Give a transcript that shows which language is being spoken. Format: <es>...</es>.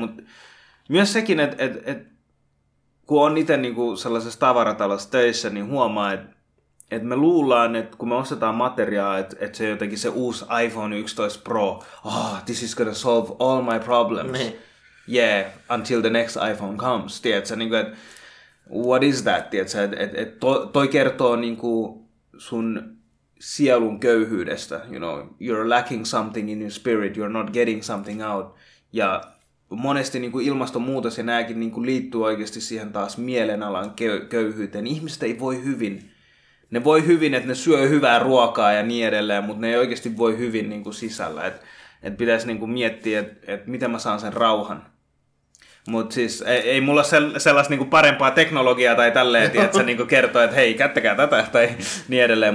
<fi>Mutta myös sekin, kun on itse niinku sellaisessa tavaratalossa töissä, niin huomaa, että me luullaan, että kun me ostetaan materiaa, että se jotenkin se uusi iPhone 11 Pro,</fi> <en>this is gonna solve all my problems.</en> <fi>Me.</fi> <en>Yeah, until the next iPhone comes.</en> <fi>Tiedätkö, niin kuin,</fi> <en>what is that?</en> <fi>Tiedätkö, toi kertoo niin kuin sun sielun köyhyydestä.</fi> <en>You know, you're lacking something in your spirit, you're not getting something out.</en> <fi>Ja monesti niin kuin ilmastonmuutos ja nämäkin niin kuin liittyy oikeasti siihen taas mielenalan köyhyyteen. Ihmiset ei voi hyvin. Ne voi hyvin, että ne syö hyvää ruokaa ja niin edelleen, mutta ne ei oikeasti voi hyvin niin kuin sisällä. Et pitäisi niin kuin miettiä, että miten mä saan sen rauhan. Mutta siis ei mulla sellaista niin kuin parempaa teknologiaa tai tälleen, että sä niin kuin kertoo, että hei, käyttäkää tätä tai niin edelleen.</fi>